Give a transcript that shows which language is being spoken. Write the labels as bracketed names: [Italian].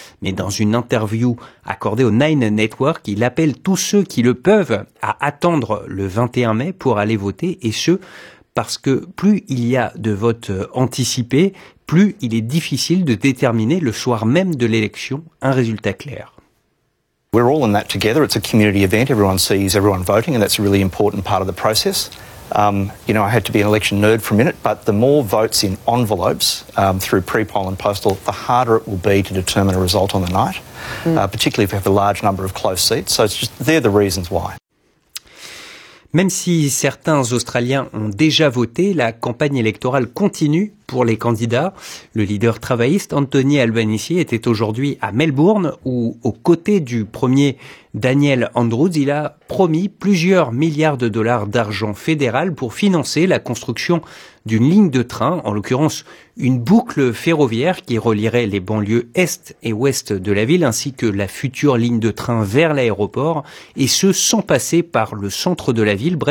[French] Mais dans une interview accordée au Nine Network, il appelle tous ceux qui le peuvent à attendre le 21 mai pour aller voter. Et ce, parce que plus il y a de votes anticipés, plus il est difficile de déterminer le soir même de l'élection un résultat clair. [English] We're all in that together. It's a community event. Everyone sees everyone voting, and that's a really important part of the process. You know, I had to be an election nerd for a minute, but the more votes in envelopes through pre-poll and postal, the harder it will be to determine a result on the night, particularly if you have a large number of close seats. So it's just they're the reasons why. [French] Même si certains Australiens ont déjà voté, la campagne électorale continue pour les candidats. Le leader travailliste Anthony Albanese était aujourd'hui à Melbourne où, aux côtés du premier Daniel Andrews, il a promis plusieurs milliards de dollars d'argent fédéral pour financer la construction d'une ligne de train, en l'occurrence une boucle ferroviaire qui relierait les banlieues est et ouest de la ville ainsi que la future ligne de train vers l'aéroport et ce sans passer par le centre de la ville.